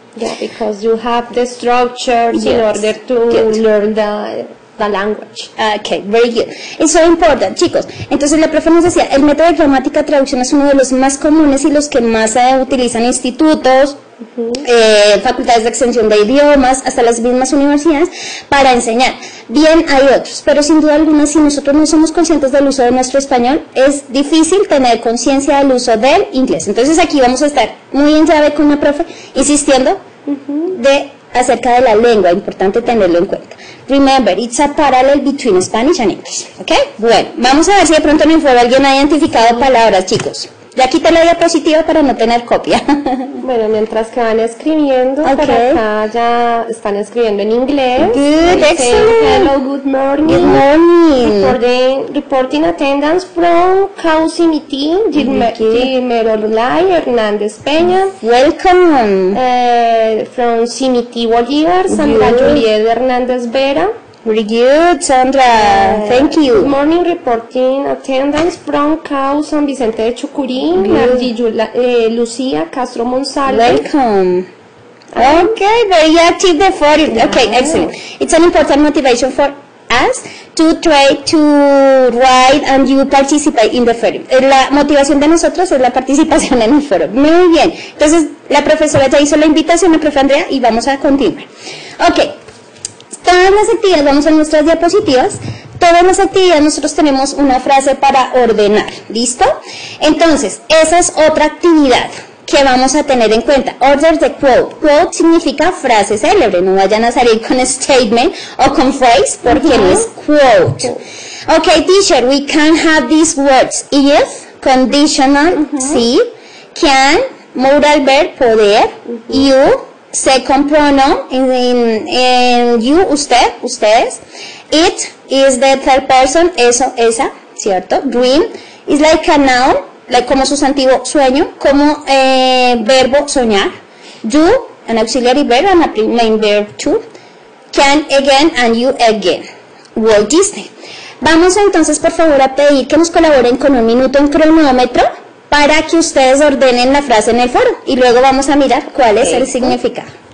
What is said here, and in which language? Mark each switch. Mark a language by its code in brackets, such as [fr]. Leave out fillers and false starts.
[en] Yeah, because you have the structures in order to learn the language. Okay, very good. It's so important, chicos. [es] Entonces, la profe nos decía, el método de gramática traducción es uno de los más comunes y los que más se utilizan institutos, facultades de extensión de idiomas, hasta las mismas universidades, para enseñar. Bien, hay otros, pero sin duda alguna, si nosotros no somos conscientes del uso de nuestro español, es difícil tener conciencia del uso del inglés. Entonces, aquí vamos a estar muy en llave con la profe, insistiendo de acerca de la lengua, importante tenerlo en cuenta. [en] Remember, it's a parallel between Spanish and English. ¿Ok? [es] Bueno, vamos a ver si de pronto en el foro alguien ha identificado palabras, chicos. Ya quité la diapositiva para no tener copia. Bueno, mientras que van escribiendo, por acá ya están escribiendo en inglés. [en] Good, excellent. Hello, good morning. Good morning. Reporting attendance from Causi Miti, Gimerolay, Hernández Peña. Welcome. From Simiti Bolívar, Sandra Juliet Hernández Vera. Very good, Sandra. Thank you. Good morning, reporting attendance from CAU San Vicente de Chucurín, Lucía Castro Monsalve. Welcome. Okay, very active the forum. Yeah. Okay, excellent. It's an important motivation for us to try to write and you participate in the forum. [es] La motivación de nosotros es la participación en el foro. Muy bien. Entonces, la profesora ya hizo la invitación, la profe Andrea, y vamos a continuar. Okay. Todas las actividades, vamos a nuestras diapositivas, todas las actividades nosotros tenemos una frase para ordenar, ¿listo? Entonces, esa es otra actividad que vamos a tener en cuenta, order the quote. Quote significa frase célebre, no vayan a salir con statement o con phrase porque no es quote. [en] Ok, teacher, we can have these words, if, conditional, see, can, modal verb, poder, you, [es] se compró, ¿no? En you, usted, ustedes. [en] It is the third person, eso, esa, ¿cierto? Dream is like a noun, like como sustantivo sueño, como verbo soñar. Do, an auxiliary verb, and a main verb too. Can again, and you again. Walt Disney. [es] Vamos entonces, por favor, a pedir que nos colaboren con un minuto en cronómetro para que ustedes ordenen la frase en el foro. Y luego vamos a mirar cuál es el significado.